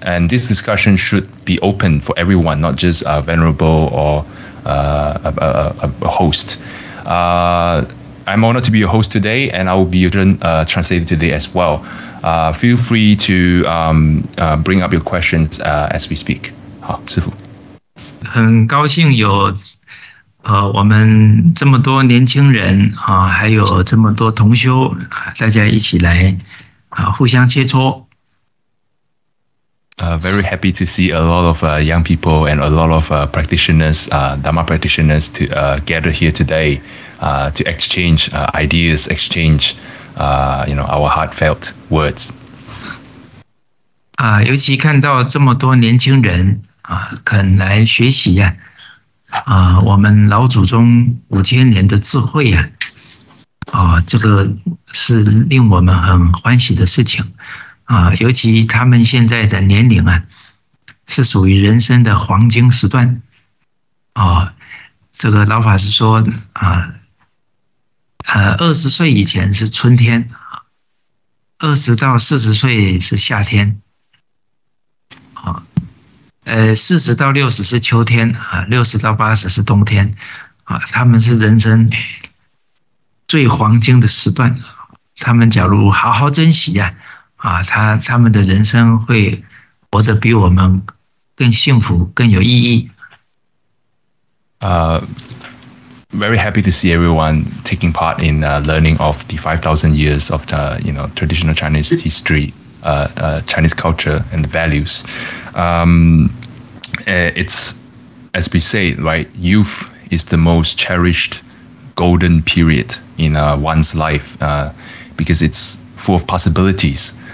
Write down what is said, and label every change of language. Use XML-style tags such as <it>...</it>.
<en>And this discussion should be open for everyone, not just Venerable or a host. I'm honored to be your host today, and I will be your translator today as well. Feel free to bring up your questions as we speak.</en> <zh>好，师傅。很高兴有我们这么多年轻人还有这么多同修，大家一起来互相切磋。</zh> <en>Very happy to see a lot of young people and a lot of practitioners, Dharma practitioners, to gather here today to exchange ideas, exchange you know, our heartfelt words.</en> <zh>尤其看到这么多年轻人肯来学习呀，我们老祖宗五千年的智慧呀，这个是令我们很欢喜的事情。尤其他们现在的年龄啊，是属于人生的黄金时段。这个老法师说20岁以前是春天，20到40岁是夏天，40到60是秋天，60到80是冬天，他们是人生最黄金的时段，他们假如好好珍惜呀，他们的人生会活得比我们更幸福，更有意义。</zh> <en>Very happy to see everyone taking part in learning of the 5,000 years of the, you know, traditional Chinese history, Chinese culture and values. It's, as we say, right, youth is the most cherished golden period in one's life because it's full of possibilities.</en>